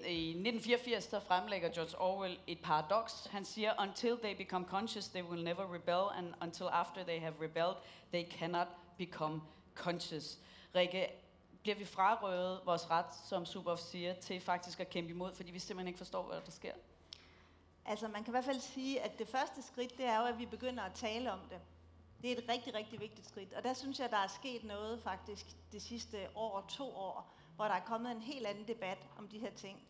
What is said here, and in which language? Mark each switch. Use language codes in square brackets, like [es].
[da] I 1984 så fremlægger George Orwell et paradoks. Han siger, [en] until they become conscious, they will never rebel, and until after they have rebelled, they cannot become conscious. [da] Rikke, bliver vi frarøvet vores ret, som Zuboff siger, til faktisk at kæmpe imod, fordi vi simpelthen ikke forstår, hvad der sker? Altså, man kan i hvert fald sige, at det første skridt, det er jo, at vi begynder at tale om det. Det er et rigtig, rigtig vigtigt skridt, og der synes jeg, der er sket noget faktisk det sidste år, to år, hvor der er kommet en helt anden debat om de her ting.